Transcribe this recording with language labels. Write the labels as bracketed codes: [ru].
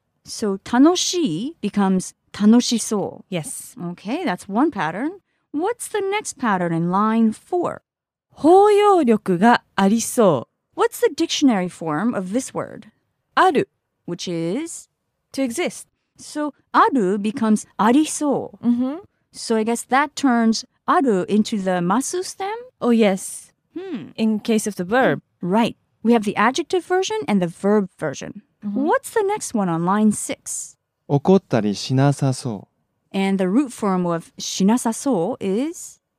[en] So, 楽しい becomes 楽しそう. Yes. Okay, that's one pattern. What's the next pattern in line 4? [ja] 包容力がありそう. [en] What's the dictionary form of this word? [ja] ある. [en] Which is? To exist. So, ある becomes ありそう. Mm-hmm. So, I guess that turns ある into the masu stem? Oh, yes. Hmm. In case of the verb. Right. We have the adjective version and the verb version. Mm-hmm. What's the next one on line 6? [ja] 怒ったりしなさそう. [en] And the root form of しなさそう is?